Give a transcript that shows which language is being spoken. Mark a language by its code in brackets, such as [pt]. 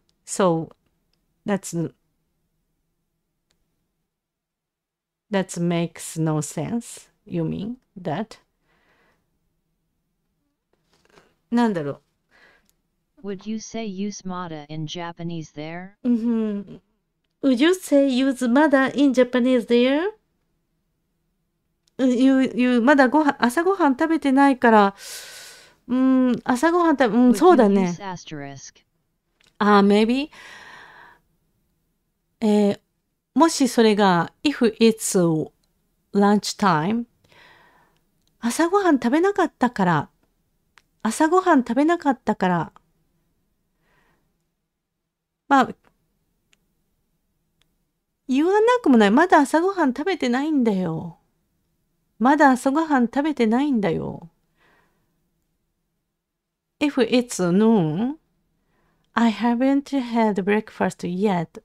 [en] So, that makes no sense. You mean that? [ja] なんだろう。 [en] Would you say use mada in Japanese there? Mm-hmm. Would you say use mada in Japanese there? [ja] You まだご飯朝ごはん食べてないから、朝ごはん食べ、そうだね。 [en] Would you use asterisk? Maybe. [ja] もしそれが [en] if it's lunch time, [ja] 朝ごはん食べなかったから、朝ごはん食べなかったから。まあ、言わなくもない。まだ朝ごはん食べてないんだよ。まだ朝ごはん食べてないんだよ。 [en] If it's noon, I haven't had breakfast yet.